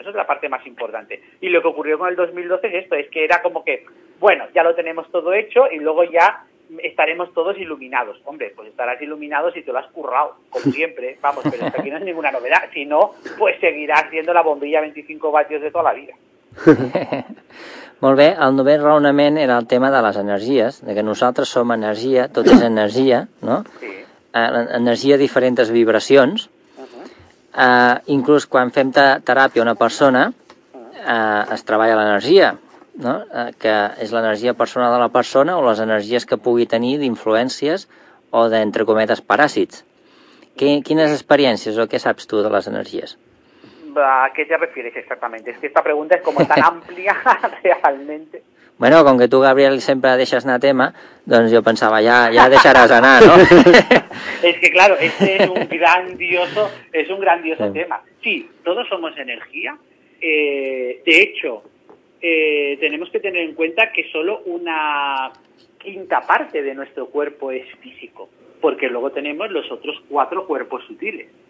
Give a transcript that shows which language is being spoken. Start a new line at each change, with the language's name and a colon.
Spanish: Esa es la parte más importante. Y lo que ocurrió con el 2012 es esto, es que era como que, bueno, ya lo tenemos todo hecho y luego ya estaremos todos iluminados. Hombre, pues estarás iluminado si te lo has currado, como siempre. Vamos, pero hasta aquí no es ninguna novedad. Si no, pues seguirás siendo la bombilla 25 vatios de toda la vida.
Catalan: Molt bé, el novè raonament era el tema de les energies, de que nosaltres som energia, tot és energia, no? Sí. Energia a diferents vibracions. Uh-huh. Inclús quan fem teràpia a una persona, es treballa l'energia, no? Que és l'energia personal de la persona o les energies que pugui tenir d'influències o d'entre cometes paràsits. Quines experiències o què saps tu de les energies?
Spanish: ¿A qué te refieres exactamente? Es que esta pregunta es como tan amplia realmente. Bueno, con que tú, Gabriel, siempre dejas anar tema, entonces yo pensaba, ya dejarás anar, ¿no? Es que claro, este es un grandioso, sí, tema. Sí, todos somos energía. De hecho, tenemos que tener en cuenta que solo una quinta parte de nuestro cuerpo es físico, porque luego tenemos los otros cuatro cuerpos sutiles.